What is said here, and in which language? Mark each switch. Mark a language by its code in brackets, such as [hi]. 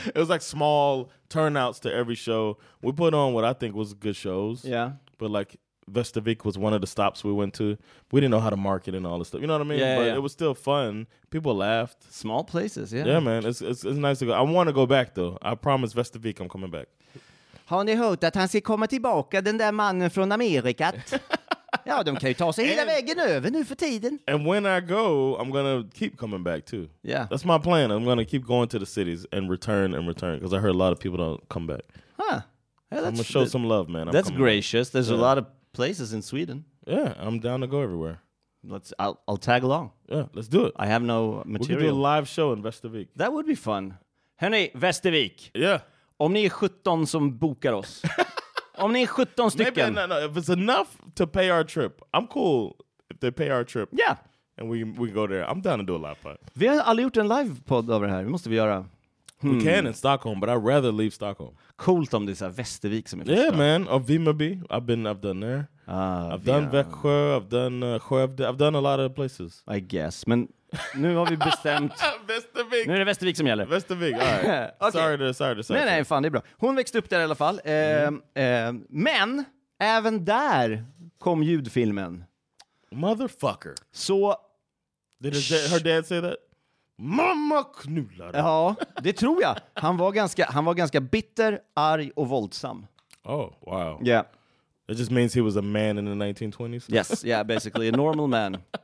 [en] It was like small turnouts to every show. We put on what I think was good shows. Yeah. But like Västervik was one of the stops we went to. We didn't know how to market and all this stuff. You know what I mean? Yeah, but yeah. It was still fun. People laughed. Small places, yeah. Yeah, man. It's nice to go. I want to go back, though. I promise Västervik I'm coming back. [sv] Har ni hört att han ska komma tillbaka, den där mannen från Amerika? Ja, de kan ju ta sig hela vägen över nu för tiden. [en] And when I go, I'm gonna keep coming back too. Yeah. That's my plan. I'm gonna keep going to the cities and return, because I heard a lot of people don't come back. Huh. Yeah, I'm gonna show some love, man. That's gracious. There's a lot of places in Sweden. Yeah, I'm down to go everywhere. I'll tag along. Yeah, let's do it. I have no material. We could do a live show in Västervik. That would be fun. [sv] Hörrni, [en] Västervik. Yeah. [sv] Om ni är 17 som bokar oss. Om ni är 17 stycken. [en] Maybe, no, if it's enough to pay our trip. I'm cool if they pay our trip. Yeah. And we go there. I'm down to do a live pod. [sv] Vi har aldrig gjort en live pod över här. Det måste vi göra. [en] We can in Stockholm, but I'd rather leave Stockholm. [sv] Coolt om det är så här Västervik som är [en] första. Yeah, man. Or Vimmerby. I've done there. I've done Växjö. I've done Skövde. I've done a lot of places. I guess, [sv] men... Nu har vi bestämt. Västervik. Nu är det Västervik som gäller. [en] Västervik. All right. Okay. Sorry. [sv] Nej, fan, det är bra. Hon växte upp där i alla fall. Men även där kom ljudfilmen. [en] Motherfucker. [sv] Så [en] did her dad say that? [sv] Mamma knullar. Ja, det tror jag. Han var ganska bitter, arg och våldsam. [en] Oh, wow. Yeah. It just means he was a man in the 1920s. Yes, yeah, basically a normal man.